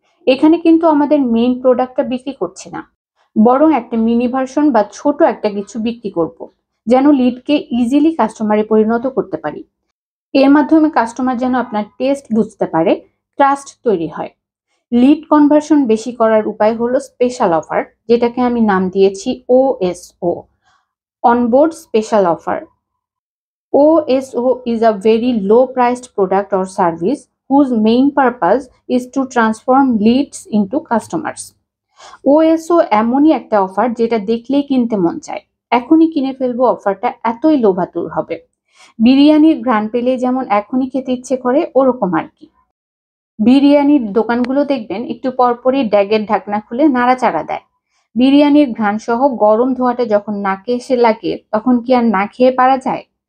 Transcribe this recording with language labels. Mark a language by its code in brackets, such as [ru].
[bn] এখানে কিন্তু আমাদের মেইন প্রোডাক্টটা বিক্রি করছি না, বরং একটা মিনি ভার্সন বা ছোট একটা কিছু বিক্রি করব, যেন লিডকে ইজিলি কাস্টমারে পরিণত করতে পারি। এর মাধ্যমে কাস্টমার যেন আপনার টেস্ট বুঝতে পারে, ট্রাস্ট তৈরি হয়। লিড কনভার্সন বেশি করার উপায় হলো স্পেশাল অফার, যেটাকে আমি নাম দিয়েছি ওএসও, onboard special offer. [en] OSO is a very low-priced product or service whose main purpose is to transform leads into customers. [bn] OSO এমনই একটা অফার যেটা দেখলেই কিনতে মন চায়, এখনই কিনে ফেলবো, অফারটা এতই লোভাতুর হবে, বিরিয়ানির ঘ্রাণ পেলে যেমন এখনই খেতে ইচ্ছে করে ওরকম আর কি। বিরিয়ানির দোকানগুলো দেখবেন একটু পরপরই ড্যাগের ঢাকনা খুলে নাড়াচাড়া দেয়, বিরিয়ানির ঘ্রাণ সহ গরম ধোঁয়াটা যখন নাকে এসে লাগে তখন কি আর না খেয়ে পারা যায়?